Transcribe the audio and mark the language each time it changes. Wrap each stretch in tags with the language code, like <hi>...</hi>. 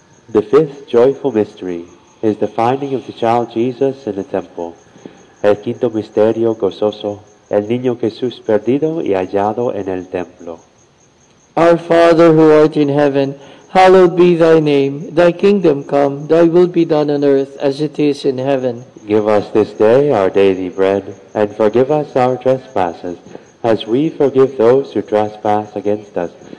<en>The fifth joyful mystery is the finding of the child Jesus in the temple.</en> <es>El quinto misterio gozoso, el niño Jesús perdido y hallado en el templo.</es> <en>Our Father who art in heaven, hallowed be thy name. Thy kingdom come, thy will be done on earth as it is in heaven. Give us this day our daily bread, and forgive us our trespasses, as we forgive those who trespass against us.</en>